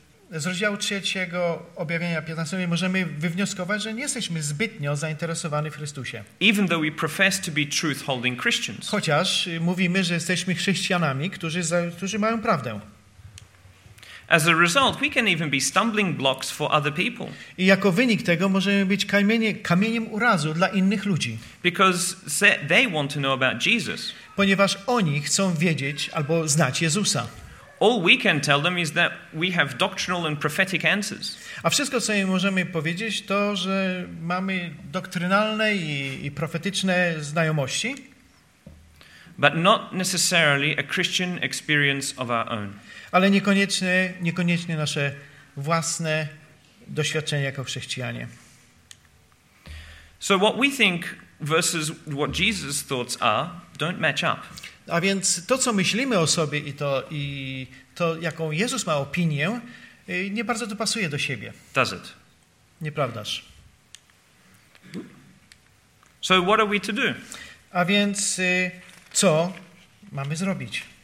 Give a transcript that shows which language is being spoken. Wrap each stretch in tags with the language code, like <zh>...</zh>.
<pl>Z rozdziału 3 objawienia 15 możemy wywnioskować, że nie jesteśmy zbytnio zainteresowani w Chrystusie.</pl> <en>Even though we profess to be truth-holding Christians.</en> <pl>Chociaż mówimy, że jesteśmy chrześcijanami, którzy mają prawdę.</pl> <en>As a result, we can even be stumbling blocks for other people.</en> <pl>I jako wynik tego możemy być kamieniem urazu dla innych ludzi.</pl> <en>Because they want to know about Jesus.</en> <pl>Ponieważ oni chcą wiedzieć albo znać Jezusa.</pl> <en>All we can tell them is that we have doctrinal and prophetic answers.</en> <pl>A wszystko, co im możemy powiedzieć, to, że mamy doktrynalne i profetyczne znajomości.</pl> <en>But not necessarily a Christian experience of our own.</en> <pl>Ale niekoniecznie nasze własne doświadczenie jako chrześcijanie.</pl> <en>So what we think versus what Jesus' thoughts are don't match up.</en> <pl>A więc to, co myślimy o sobie i to, jaką Jezus ma opinię, nie bardzo to pasuje do siebie.</pl> <en>Does it?</en> <pl>Nieprawdaż.</pl> <en>So what are we to do?</en> <pl>A więc co mamy zrobić?</pl>